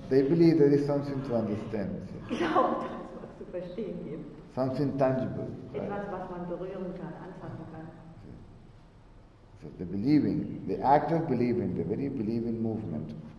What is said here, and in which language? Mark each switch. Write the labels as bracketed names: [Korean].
[English] They believe there is something to understand. [German] Glaubt an was zu verstehen geben. [English] Something tangible. Right? [German] Etwas, was man berühren kann, anfassen kann. [English] So the believing, the act of believing, the very believing movement.